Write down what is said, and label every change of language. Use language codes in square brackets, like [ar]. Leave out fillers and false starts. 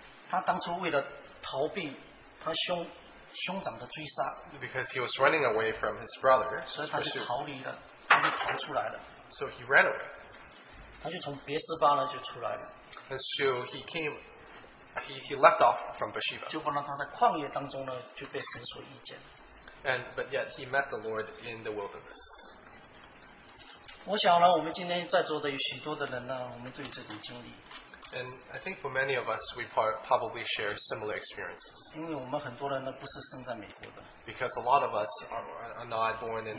[zh] 他当初为了逃避他兄长的追杀, [en] because he was running away from his brother. [zh] 所以他就逃离了, [en] so he ran away. [zh] 他就从别示巴了就出来了, [en] and so he came. He left off from Beersheba. [zh] 就不然他在旷野当中呢, 就被神所遇见, [en] And but yet he met the Lord in the wilderness. [zh] 我想呢, 我们今天在座的有许多的人呢, 我们对这里经历, [en] and I think for many of us, we probably share similar experiences. [zh] 因为我们很多人呢, [en] because a lot of us are not born in